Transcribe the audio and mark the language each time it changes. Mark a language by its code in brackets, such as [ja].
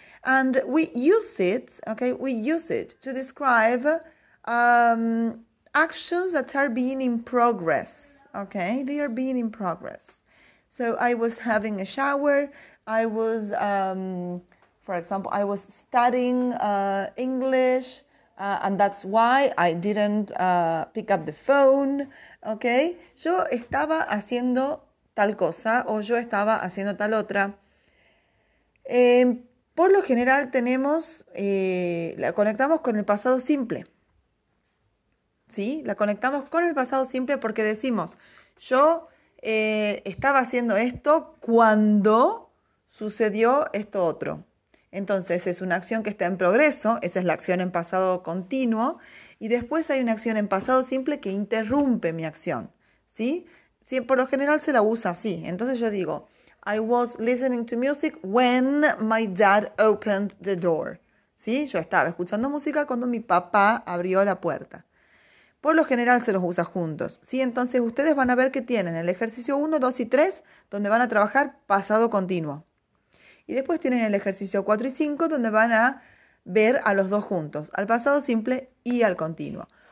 [en] And we use it to describe actions that are being in progress. Okay, they are being in progress. So I was having a shower. I was, for example, I was studying English, and that's why I didn't pick up the phone. [es] Okay, yo estaba haciendo tal cosa o yo estaba haciendo tal otra. Por lo general tenemos, la conectamos con el pasado simple. ¿Sí? La conectamos con el pasado simple porque decimos, yo estaba haciendo esto cuando sucedió esto otro. Entonces es una acción que está en progreso, esa es la acción en pasado continuo, y después hay una acción en pasado simple que interrumpe mi acción. ¿Sí? Sí, por lo general se la usa así. [en] Entonces yo digo, I was listening to music when my dad opened the door. [es] ¿Sí? Yo estaba escuchando música cuando mi papá abrió la puerta. Por lo general se los usa juntos. ¿Sí? Entonces ustedes van a ver que tienen el ejercicio 1, 2 y 3, donde van a trabajar pasado continuo. Y después tienen el ejercicio 4 y 5, donde van a ver a los dos juntos, al pasado simple y al continuo.